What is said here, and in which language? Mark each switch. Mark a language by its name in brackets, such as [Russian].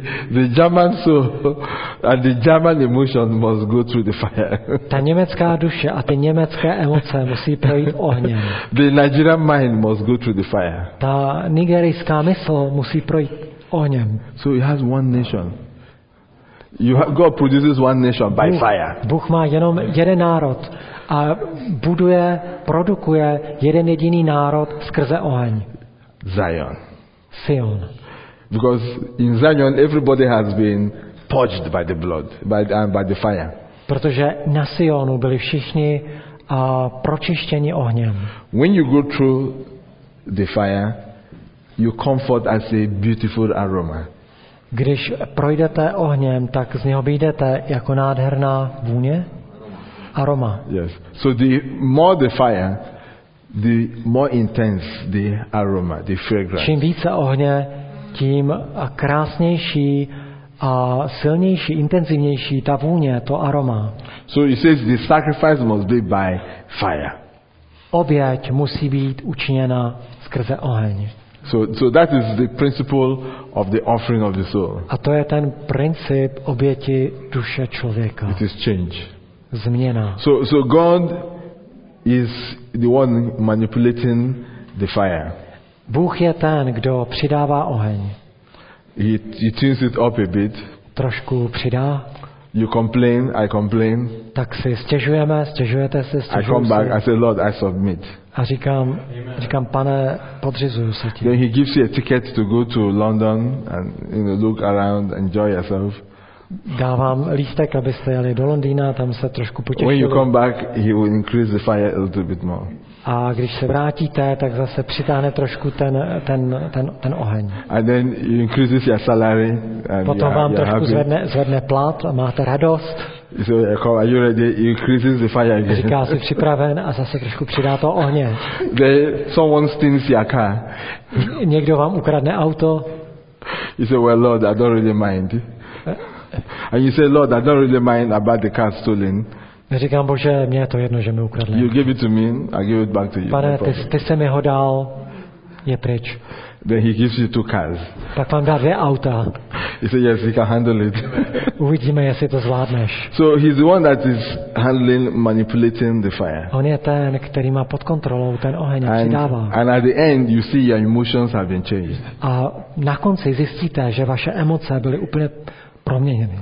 [English] The German soul and the German emotion must go through the fire. [Czech] Ta německá duše a ty německé emoce musí projít ohněm. [English] The Nigerian mind must go through the fire. [Czech] Ta nigerijská mysl musí projít ohněm. [English] So it has one nation. God produces one nation by fire. [Czech] Bůh má jenom jeden národ a buduje, produkuje jeden jediný národ skrze oheň. [English] Zion. [Czech] Sion. [English] Because in Zion everybody has been purged by the blood, by the fire. [Czech] Protože na Sionu byli všichni pročištěni ohněm. [English] When you go through the fire, you comfort as a beautiful aroma. [Czech] Když projdete ohněm, tak z něho vyjdete jako nádherná vůně. [English] Aroma. Yes. So the more the fire, the more intense the aroma, the fragrance. [Czech] Čím více ohně, tím krásnější a silnější, intenzivnější ta vůně, to aroma. [English] So it says the sacrifice must be by fire. [Czech] Oběť musí být učiněna skrze oheň. [English] So that is the principle of the offering of the soul. [Czech] A to je ten princip oběti duše člověka. [English] It is change. [Czech] Změna. [English] So God is the one manipulating the fire. [Czech] Bůh je ten, kdo přidává oheň. [English] He turns it up a bit. [Czech] Trošku přidá. [English] You complain, I complain. [Czech] Tak si stěžujeme, stěžujete se, stěžujeme. [English] I come back, I say, Lord, I submit. [Czech] A říkám, pane, podřizuju se ti. [English] Then he gives you a ticket to go to London and look around, enjoy yourself. [Czech] Dávám lístek, abyste jeli do Londýna, tam se trošku potěšili. [English] When you come back, he will increase the fire a little bit more. [Czech] A když se vrátíte, tak zase přitáhne trošku ten oheň. [English] And then you increase your salary and [Czech] potom vám [English] you're [Czech] trošku [English] happy. [Czech] zvedne plat a máte radost. [English] So, are you ready? You increase the fire again. [Czech] Říká, jsi připraven a zase trošku přidá to ohně. [English] Then someone steals your car. [Czech] Někdo vám ukradne auto. [English] He said, well, Lord, I don't really mind. And you say, Lord, I don't really mind about the car stolen. [Czech] Říkám, Bože, mě je to jedno, že mi ukradli. [English] You give it to me, I give it back to you. [Czech] Pane, ty jsi mi ho dal, je pryč. [English] Then he gives you two cars. [Czech] Tak vám dá dvě auta. [English] He said, yes, he can handle it. [Czech] Uvidíme, jestli to zvládneš. [English] So he's the one that is handling, manipulating the fire. [Czech] On je ten, který má pod kontrolou ten oheň a přidává. [English] And at the end, you see your emotions have been changed. [Czech] A na konci zjistíte, že vaše emoce byly úplně proměněny.